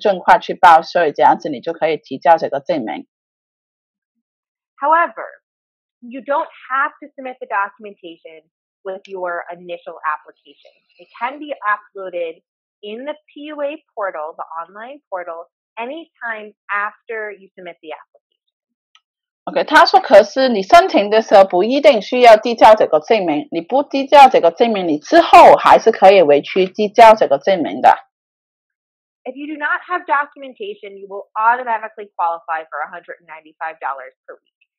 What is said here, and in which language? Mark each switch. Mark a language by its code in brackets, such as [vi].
[zh] 他就是说如果你是自己做生意的话最容易的话就是你的报税表如果你没有还没报税的他建议你就是尽快去报税这样子你就可以提交这个证明 [en] However, you don't have to submit the documentation with your initial application. It can be uploaded in the PUA portal, the online portal, anytime after you submit the application. [zh] Okay, 他说可是你申请的时候不一定需要递交这个证明,你不递交这个证明,你之后还是可以委屈递交这个证明的。 [en] If you do not have documentation, you will automatically qualify for $195 per week.